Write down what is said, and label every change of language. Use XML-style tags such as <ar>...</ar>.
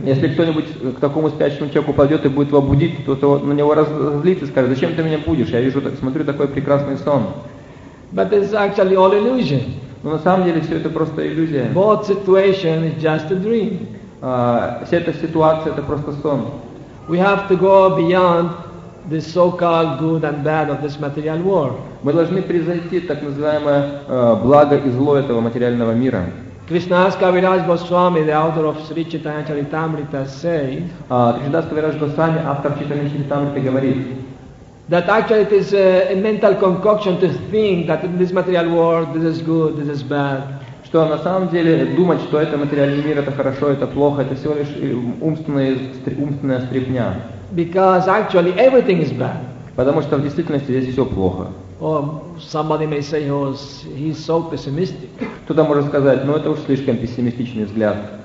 <ru>Если кто-нибудь к такому спящему человеку пойдет и будет его будить, то на него разозлится и скажет, зачем ты меня будешь? Я вижу, смотрю такой прекрасный сон.</ru> <en>But it's actually all illusion.</en> <ru>Но на самом деле все это просто иллюзия.</ru> <en>Both situation is just a dream.</en> <ru>Вся эта ситуация это просто сон.</ru> <en>We have to go beyond the so-called good and bad of this material world.</en> <ru>Мы должны превзойти так называемое благо и зло этого материального мира.</ru> <en>Кришнадас Кавирадж Госвами, the author of Sri Chaitanya Charitamrita,</en> <ru>автор Чайтанья Чаритамриты, говорит,</ru> <en>that actually it is a mental concoction to think that in this material world this is good, this is bad.</en> <ru>Что на самом деле думать, что это материальный мир, это хорошо, это плохо, это всего лишь умственная стряпня.</ru> <en>Because actually everything is bad.</en> <ru>Потому что в действительности здесь все плохо.</ru> <en>Or somebody may say, oh, he's so pessimistic.</en> <ru>Кто-то может сказать, ну это уж слишком пессимистичный взгляд.</ru>